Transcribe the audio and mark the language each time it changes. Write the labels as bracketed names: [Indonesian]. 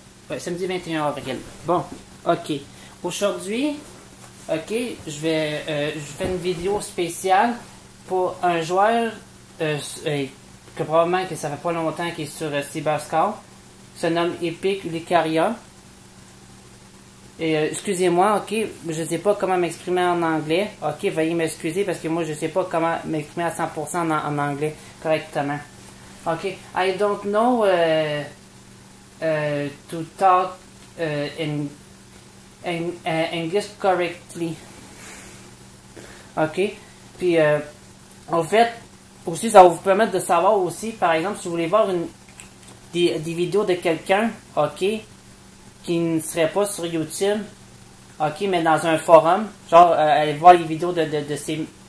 [French] Ouais, samedi 21 avril. Bon, ok. Aujourd'hui, ok, je fais une vidéo spéciale pour un joueur que probablement que ça fait pas longtemps qu'il est sur CyberScout. Se nomme Epic Lucaria. Excusez-moi, ok, je sais pas comment m'exprimer en anglais, ok, veuillez m'excuser parce que moi je sais pas comment m'exprimer à 100% en anglais correctement. [English] Ok, I don't know to talk in English correctly. [French] Ok, puis en fait, aussi ça va vous permettre de savoir aussi, par exemple, si vous voulez voir des vidéos de quelqu'un, ok, qui ne serait pas sur YouTube, ok, mais dans un forum, genre aller voir les vidéos de ces